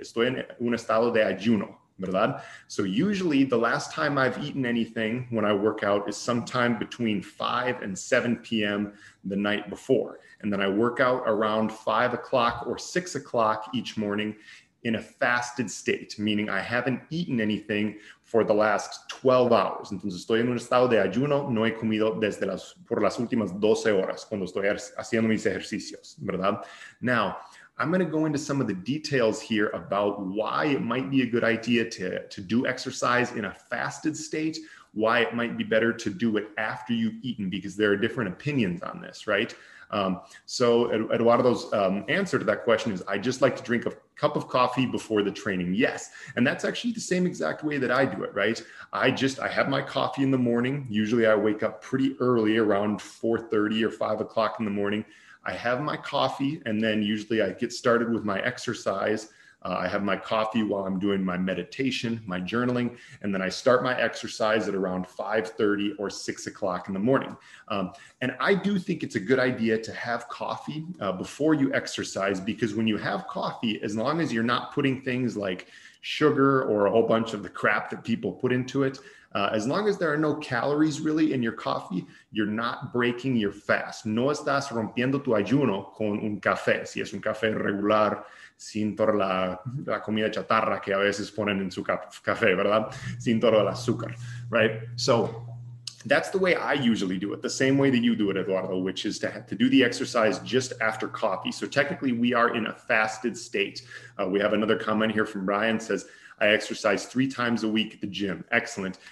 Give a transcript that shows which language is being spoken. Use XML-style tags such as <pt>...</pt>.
<en>Estoy en un estado de ayuno, ¿verdad? So usually the last time I've eaten anything when I work out is sometime between 5 and 7 p.m. the night before. And then I work out around 5 o'clock or 6 o'clock each morning in a fasted state, meaning I haven't eaten anything for the last 12 hours.</en> <es>Entonces estoy en un estado de ayuno, no he comido desde por las últimas 12 horas cuando estoy haciendo mis ejercicios, ¿verdad? Now,</es> <en>I'm going to go into some of the details here about why it might be a good idea to do exercise in a fasted state, why it might be better to do it after you've eaten, because there are different opinions on this, right? So answer to that question is, I just like to drink a cup of coffee before the training. Yes. And that's actually the same exact way that I do it, right? I have my coffee in the morning. Usually I wake up pretty early, around 4:30 or 5 o'clock in the morning. I have my coffee, and then usually I get started with my exercise. I have my coffee while I'm doing my meditation, my journaling, and then I start my exercise at around 5:30 or 6 o'clock in the morning. And I do think it's a good idea to have coffee before you exercise, because when you have coffee, as long as you're not putting things like sugar or a whole bunch of the crap that people put into it, as long as there are no calories really in your coffee, you're not breaking your fast.</en> <es>No estás rompiendo tu ayuno con un café, si es un café regular, sin toda la comida chatarra que a veces ponen en su café, ¿verdad? Sin todo el azúcar, right?</es> <en>So that's the way I usually do it, the same way that you do it, Eduardo, which is to do the exercise just after coffee. So technically we are in a fasted state. We have another comment here from Ryan, says, I exercise 3 times a week at the gym. Excellent.</en>